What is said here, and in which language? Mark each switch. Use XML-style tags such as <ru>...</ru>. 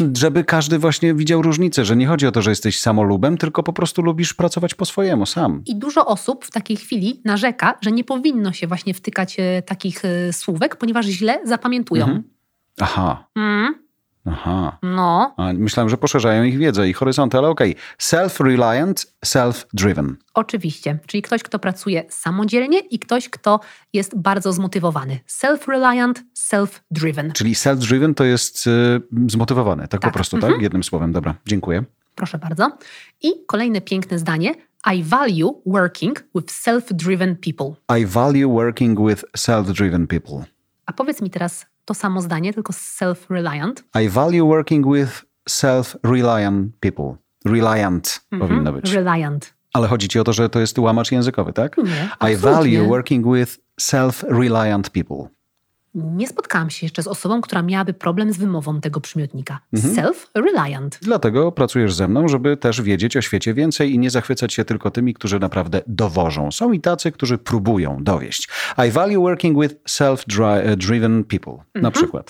<pl>No, żeby każdy właśnie widział różnicę, że nie chodzi o to, że jesteś samolubem, tylko po prostu lubisz pracować po swojemu, sam. I dużo osób w takiej chwili narzeka, że nie powinno się właśnie wtykać takich słówek, ponieważ źle zapamiętują. Mhm. Aha. Mhm. Aha. No. A myślałem, że poszerzają ich wiedzę i horyzonty, ale okej.</pl> <en>Self-reliant, self-driven.</en> <pl>Oczywiście. Czyli ktoś, kto pracuje samodzielnie i ktoś, kto jest bardzo zmotywowany.</pl> <en>Self-reliant, self-driven.</en> <pl>Czyli self-driven to jest zmotywowany. Tak, tak po prostu, mm-hmm. tak? Jednym słowem. Dobra, dziękuję. Proszę bardzo. I kolejne piękne zdanie.</pl> <en>I value working with self-driven people. I value working with self-driven people.</en> <pl>A powiedz mi teraz... To samo zdanie, tylko self-reliant.</pl> <en>I value working with self-reliant people.</en> <pl>Reliant mm-hmm. powinno być.</pl> <en>Reliant.</en> <pl>Ale chodzi ci o to, że to jest łamacz językowy, tak? Nie,</pl> <en>I value working with self-reliant people.</en> <pl>Nie spotkałam się jeszcze z osobą, która miałaby problem z wymową tego przymiotnika.</pl> <en>Mm-hmm. Self-reliant.</en> <pl>Dlatego pracujesz ze mną, żeby też wiedzieć o świecie więcej i nie zachwycać się tylko tymi, którzy naprawdę dowożą. Są i tacy, którzy próbują dowieść.</pl> <en>I value working with self-driven people, mm-hmm.</en> <pl>na przykład.</pl>